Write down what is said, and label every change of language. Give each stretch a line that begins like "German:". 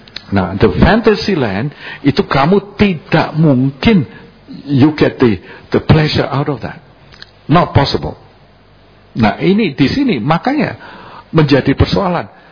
Indonesian: Nah,
English: the fantasy land
Indonesian: itu kamu tidak mungkin.
English: You get the pleasure out of that. Not possible.
Indonesian: Nah, ini di sini makanya menjadi persoalan.